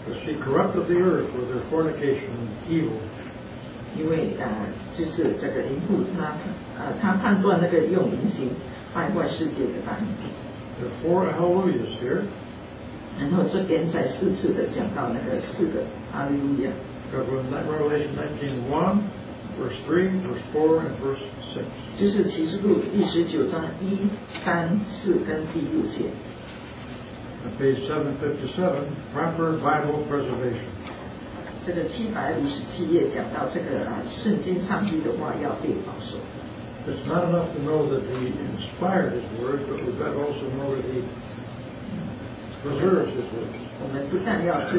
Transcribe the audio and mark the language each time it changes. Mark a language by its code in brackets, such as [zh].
[en] She corrupted the earth with her fornication and evil. [zh] 因为这个淫妇，他判断那个用淫行败坏世界的大逆。The [en] four Hallelujahs here. [zh] 然后这边再四次的讲到那个四个 Hallelujah. [en] Revelation 19:1, verse 3, verse 4, and verse 6. [zh] 就是启示录第19章1、3、4跟第6节。 [en] Page 757, proper Bible preservation. [zh] 这个757页讲到这个圣经上帝的话要被保守。It's [en] not enough to know that He inspired His words, but we've got to also know that He preserves His words.